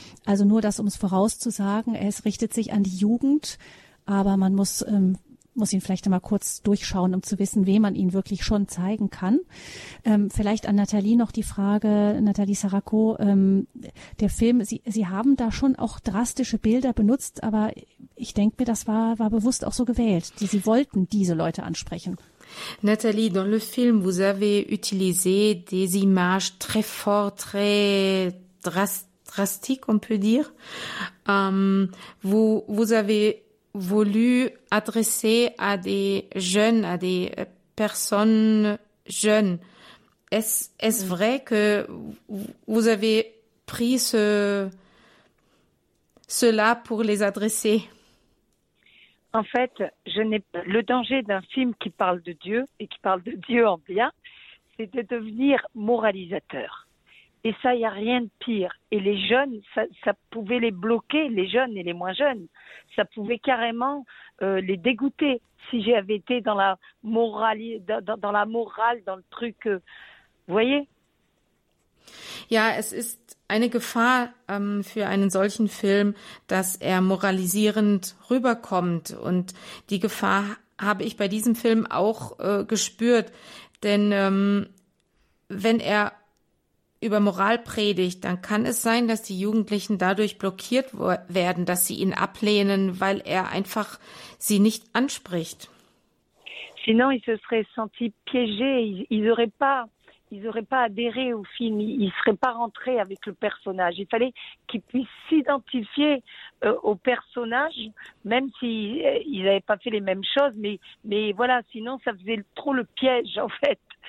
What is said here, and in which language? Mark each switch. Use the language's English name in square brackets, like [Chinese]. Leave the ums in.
[German] Also nur das, um es vorauszusagen, es richtet sich an die Jugend, aber man muss ähm, muss ihn vielleicht einmal kurz durchschauen, um zu wissen, wem man ihn wirklich schon zeigen kann. Ähm, vielleicht an Nathalie noch die Frage, Nathalie Sarako, ähm, der Film, Sie, Sie haben da schon auch drastische Bilder benutzt, aber ich denke mir, das war, war bewusst auch so gewählt. Die, Sie wollten diese Leute ansprechen. [French] Nathalie, dans le film, vous avez utilisé des images très fortes, très drastiques, on peut dire. Um, vous, vous avez voulu adresser à des jeunes, à des personnes jeunes. Est-ce est vrai que vous avez pris ce, cela pour les adresser En fait, je n'ai le danger d'un film qui parle de Dieu et qui parle de Dieu en bien, c'est de devenir moralisateur. Et ça, il n'y a rien de pire. Et les jeunes, ça, ça, pouvait les bloquer, les jeunes et les moins jeunes. Ça pouvait carrément euh, les dégoûter si j'avais été dans la, morale, dans, dans la morale, dans le truc. Euh, vous voyez [German] Ja, es ist eine Gefahr ähm, für einen solchen Film, dass er moralisierend rüberkommt. Und die Gefahr habe ich bei diesem Film auch äh, gespürt. Denn ähm, wenn er über Moral predigt, dann kann es sein, dass die Jugendlichen dadurch blockiert werden, dass sie ihn ablehnen, weil er einfach sie nicht anspricht. [French] Sinon, ils se seraient sentis piégés, ils n'auraient pas, ils auraient pas adhéré au film, ils ne seraient pas rentrés avec le personnage. Il fallait qu'ils puissent s'identifier euh, au personnage, même s'ils si, n'avaient pas fait les mêmes choses, mais, mais voilà, sinon ça faisait trop le piège en fait.